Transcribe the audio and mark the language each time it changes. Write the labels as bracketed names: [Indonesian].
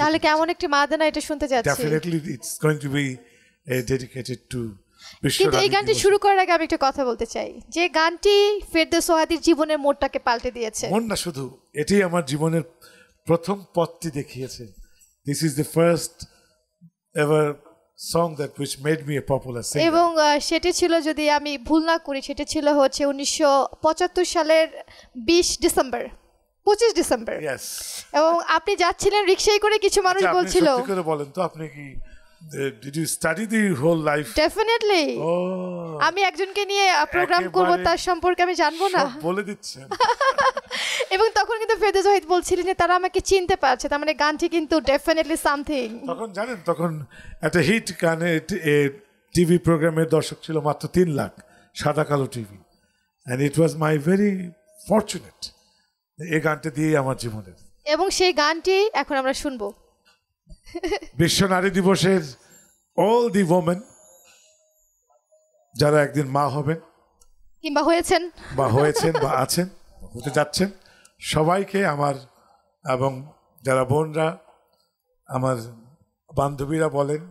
[Bangla] তাহলে কেমন একটি মাদনা এটা শুনতে যাচ্ছি [English] definitely it's going to be dedicated to [Bangla] কিন্তু এই গানটি শুরু করার আগে আমি একটা কথা বলতে চাই, যে গানটি ফেরদৌস ওয়াহিদের জীবনের মোড়টাকে পাল্টে দিয়েছে। মোড় না শুধু, এটাই আমার জীবনের প্রথম পথটি দেখিয়েছে। [English] This is the first ever song that which made me a popular singer. [Bangla] এবং সেটি ছিল, যদি আমি ভুল না করি, সেটি ছিল হচ্ছে 1975 সালের 20 ডিসেম্বর, 25 ডিসেম্বর। [English] Yes. [Bangla] এবং আপনি যাচ্ছিলেন রিকশায় করে, কিছু মানুষ বলছিল। আপনি সত্যি করে বলেন তো, আপনি কি [English] did you study the whole life? Definitely. Oh. [Bangla] আমি একজনকে নিয়ে প্রোগ্রাম করব, তার সম্পর্কে আমি জানবো না। সব বলে দিচ্ছেন। এবং তখন কিন্তু ফেরদৌস ওয়াহিদ বলছিলেন যে তারা আমাকে চিনতে পারছে, তার মানে গানটি কিন্তু [English] definitely something। [Bangla] তখন জানেন, তখন একটা হিট গানে টিভি প্রোগ্রামের দর্শক ছিল মাত্র 3 লাখ, সাদা কালো TV. [English] And it was my very fortunate, [Bangla] এই গানটি দিয়েই আমার জীবনে। এবং সেই গানটি এখন আমরা শুনবো। বিশ্ব নারী দিবসের [English] all the women, [Bangla] যারা একদিন মা হবেন কিংবা হয়েছেন বা হয়েছেন বা আছেন হতে যাচ্ছেন, সবাইকে আমার এবং যারা বোনরা, আমার বান্ধবীরা বলেন,